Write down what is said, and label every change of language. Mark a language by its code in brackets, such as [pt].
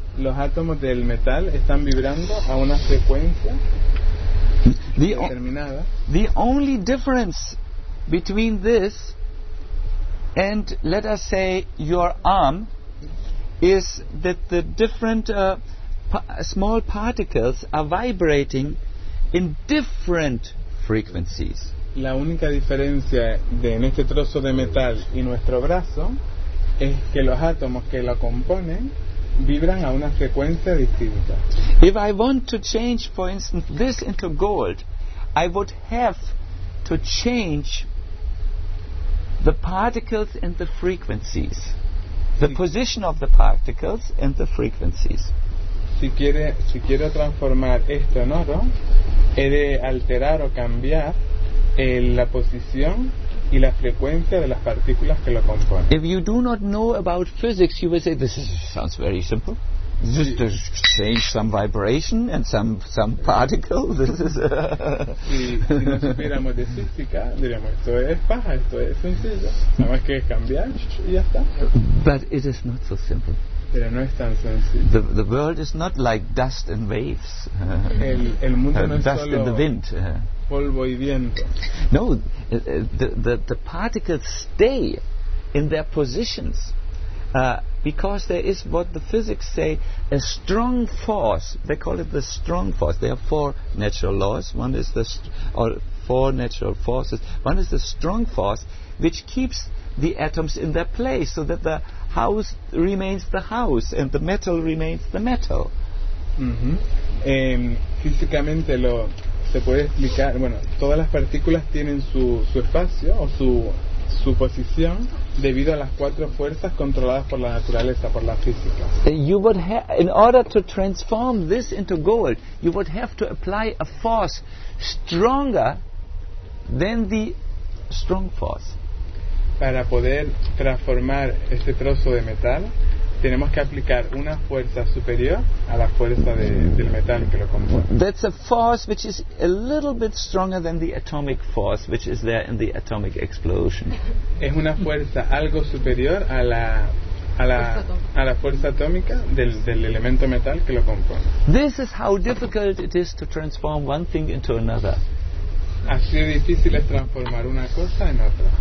[es] Los átomos del metal están vibrando a una frecuencia determinada. [en] The only difference between this and, let us say, your arm is that the different small particles are vibrating in different frequencies. [es] La única diferencia de en este trozo de metal y nuestro brazo es que los átomos que lo componen vibran a una frecuencia distinta. [en] If I want to change, for instance, this into gold, I would have to change the particles and the frequencies. The position of the particles and the frequencies. [es] Si quiero transformar esto en oro, he de alterar o cambiar la posición y la frecuencia de las partículas que lo componen. [en] If you do not know about physics, you will say this sounds very simple. Just to change some vibration and some particle. This is. [es] Si no supiéramos de física, diríamos esto es paja, esto es sencillo. Nada más que cambiar y ya está. [en] But it is not so simple. [es] Pero no es tan sencillo. [en] The world is not like dust and waves. [es] El mundo no es [en] dust [es] solo [en] in the wind. [es] Polvo y viento. [en] No, the particles stay in their positions. Because there is what the physics say a strong force. They call it the strong force. There are four natural laws. One is the four natural forces. One is the strong force, which keeps the atoms in their place, so that the house remains the house and the metal remains the metal. Mm-hmm. [es] Físicamente lo se puede explicar. Bueno, todas las partículas tienen su espacio o su posición debido a las cuatro fuerzas controladas por la naturaleza, por la física. [en] You would in order to transform this into gold, you would have to apply a force stronger than the strong force. [es] Para poder transformar este trozo de metal, tenemos que aplicar una fuerza superior a la fuerza del metal que lo compone. [en] That's a force which is a little bit stronger than the atomic force which is there in the atomic explosion. [es] Es una fuerza algo superior a la fuerza atómica del elemento metal que lo compone. [en] This is how difficult it is to transform one thing into another. [es] Así de difícil es transformar una cosa en otra.